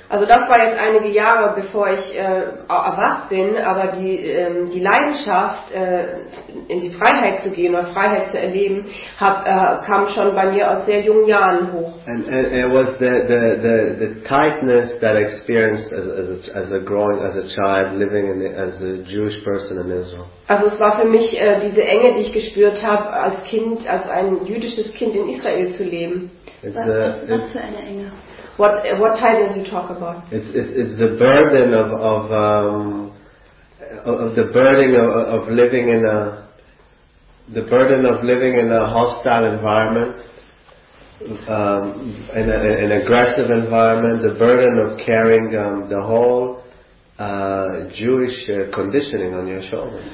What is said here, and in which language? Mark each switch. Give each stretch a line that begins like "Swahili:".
German: Also das war jetzt einige Jahre bevor ich erwacht bin, aber die Leidenschaft in die Freiheit zu gehen oder Freiheit zu erleben kam schon bei mir aus sehr jungen Jahren hoch.
English: And it was the tightness that I experienced as a child living as a Jewish person in Israel.
German: Also es war für mich diese Enge, die ich gespürt habe als Kind, als ein jüdisches Kind in Israel zu leben. Was für eine Enge?
English: What type does you talk about? It's the burden of the burden of living in a hostile environment. in an aggressive environment, the burden of carrying the whole Jewish conditioning on your shoulders.